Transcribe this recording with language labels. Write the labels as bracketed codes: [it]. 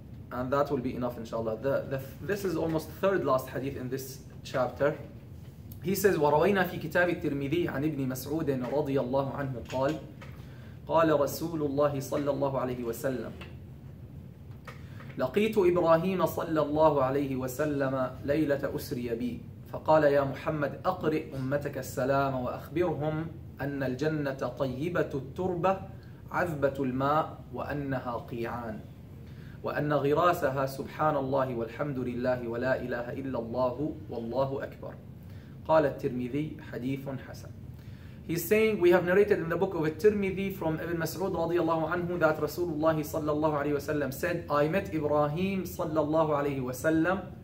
[en] And that will be enough, inshallah. This is almost third last hadith in this chapter. He says, [ar] وَرَوَيْنَا فِي كِتَابِ التِّرْمِذِي عَنْ إِبْنِ مَسْعُودٍ رَضِيَ اللَّهُ عَنْهُ قَالْ قَالَ رَسُولُ اللَّهِ صَلَّى اللَّهُ عَلَيْهِ وَسَلَّمْ لَقِيتُ إِبْرَاهِيمَ صَلَّى اللَّهُ عَلَيْهِ وَسَلَّمَ لَيْلَةَ أُسْرِيَ بِي فَقَالَ يَا مُحَمَّدْ أَقْرِئْ أُمَّتَكَ السَّلَامَ وَأَخْبِرْهُمْ أن الجنة طيبة التربة عذبة الماء وأنها قيعان وأن غراسها سبحان الله والحمد لله ولا إله إلا الله والله أكبر. قال الترمذي حديث حسن. [en] He's saying, we have narrated in the book of al-Tirmidhi from Ibn Mas'ud radiyallahu anhu that Rasulullah sallallahu alayhi wa sallam said, I met Ibrahim sallallahu alayhi wa sallam.